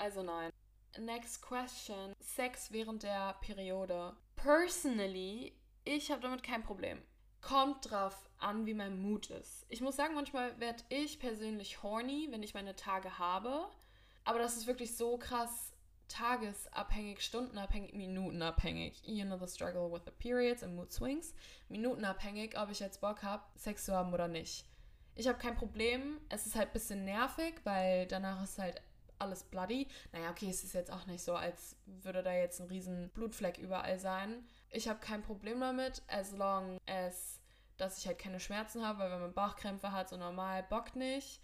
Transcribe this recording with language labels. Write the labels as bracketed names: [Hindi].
[German] Also nein. [English] Next question. [German] Sex während der Periode. Personally, ich habe damit kein Problem. Kommt drauf an, wie mein Mood ist. Ich muss sagen, manchmal werde ich persönlich horny, wenn ich meine Tage habe. Aber das ist wirklich so krass tagesabhängig, stundenabhängig, minutenabhängig. [English] You know the struggle with the periods and mood swings. [German] Minutenabhängig, ob ich jetzt Bock habe, Sex zu haben oder nicht. Ich habe kein Problem. Es ist halt ein bisschen nervig, weil danach ist halt alles bloody. Naja, okay, es ist jetzt auch nicht so, als würde da jetzt ein riesen Blutfleck überall sein. Ich habe kein Problem damit, [English] as long as, [German] dass ich halt keine Schmerzen habe, weil wenn man Bauchkrämpfe hat, so normal, bockt nicht.